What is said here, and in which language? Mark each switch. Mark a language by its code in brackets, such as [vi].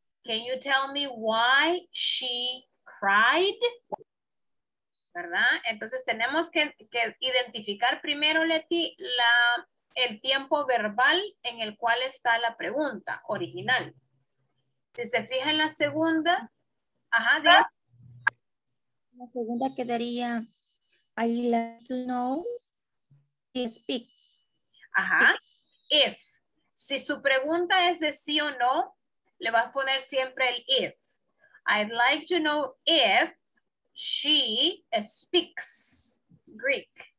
[en] Can you tell me why she cried? [es] ¿Verdad? Entonces tenemos que identificar primero, Leti, el tiempo verbal en el cual está la pregunta original. Si se fija en la segunda, ajá, ¿de? La segunda quedaría, [en] I'd like to know she speaks. [es] Ajá, if. Si su pregunta es de sí o no, le vas a poner siempre el if. [en] I'd like to know if she speaks Greek.